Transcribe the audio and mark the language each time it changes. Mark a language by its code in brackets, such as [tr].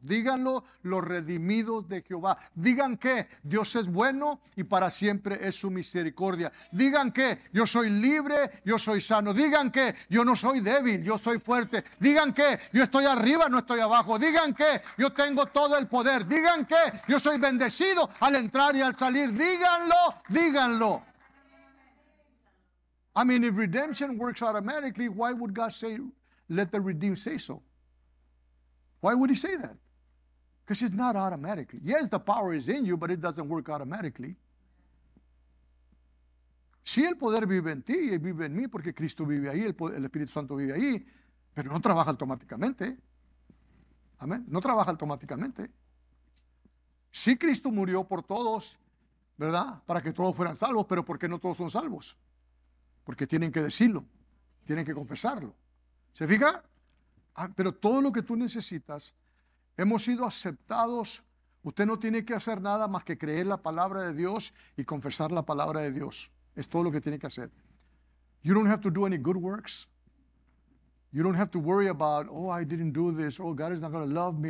[es] Díganlo los redimidos de Jehová. Digan que Dios es bueno y para siempre es su misericordia. Digan que yo soy libre, yo soy sano. Digan que yo no soy débil, yo soy fuerte. Digan que yo estoy arriba, no estoy abajo. Digan que yo tengo todo el poder. Digan que yo soy bendecido al entrar y al salir. Díganlo, díganlo. [en] I mean, if redemption works automatically, why would God say, let the redeemed say so? Why would he say that? Because it's not automatically. Yes, the power is in you, but it doesn't work automatically. [es] Sí, el poder vive en ti y vive en mí porque Cristo vive ahí, el Espíritu Santo vive ahí, pero no trabaja automáticamente. Amén. No trabaja automáticamente. Sí, Cristo murió por todos, ¿verdad? Para que todos fueran salvos, pero ¿por qué no todos son salvos? Porque tienen que decirlo, tienen que confesarlo. ¿Se fija? Ah, pero todo lo que tú necesitas, hemos sido aceptados. Usted no tiene que hacer nada más que creer la palabra de Dios y confesar la palabra de Dios. Es todo lo que tiene que hacer. [en] You don't have to do any good works. You don't have to worry about, oh, I didn't do this. Oh, God is not going to love me.